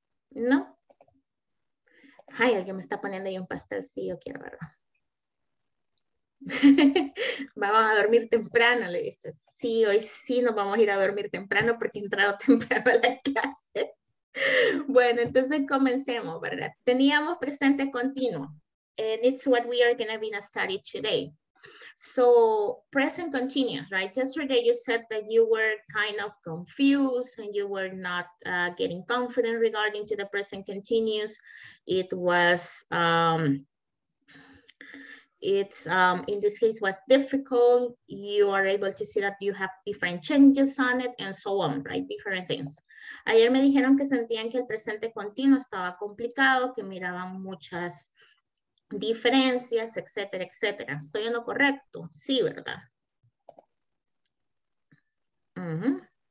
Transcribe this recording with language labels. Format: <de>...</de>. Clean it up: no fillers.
<es>¿No? Ay, alguien me está poniendo ahí un pastel. Sí, yo quiero verlo. Vamos a dormir temprano, le dices. Sí, hoy sí nos vamos a ir a dormir temprano porque he entrado temprano a la clase. Bueno, entonces comencemos, ¿verdad? Teníamos presente continuo.</es> <en>And it's what we are going to be studying today. So, present continuous, right? Yesterday you said that you were kind of confused and you were not getting confident regarding to the present continuous. It was, in this case, was difficult. You are able to see that you have different changes on it and so on, right? Different things.</en> <es>Ayer me dijeron que sentían que el presente continuo estaba complicado, que miraban muchas diferencias, etcétera, etcétera. ¿Estoy en lo correcto? Sí, ¿verdad? Uh-huh.</es>